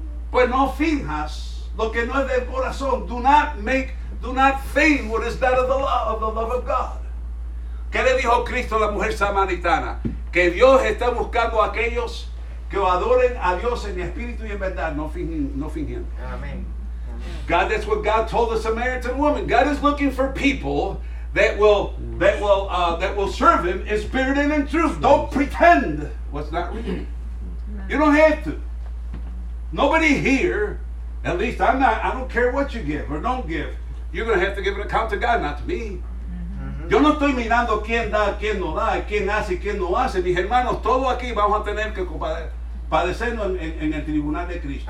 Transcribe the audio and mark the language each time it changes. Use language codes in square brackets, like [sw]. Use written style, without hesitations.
[es] Pues no finjas lo que no es del corazón. [en] Do not feign what is not of the love of God. [es] ¿Qué le dijo Cristo a la mujer samaritana? Que Dios está buscando a aquellos que adoren a Dios en espíritu y en verdad. No fingiendo. Amén. [en] God, that's what God told the Samaritan woman. God is looking for people that will serve him in spirit and in truth. Don't pretend what's not real. You don't have to. Nobody here, at least I'm not, I don't care what you give or don't give. You're going to have to give an account to God, not to me. [es] Yo no estoy mirando quién da, quién no da, quién hace, quién no hace. Mis hermanos, todo aquí vamos a tener que padecernos en el tribunal de Cristo.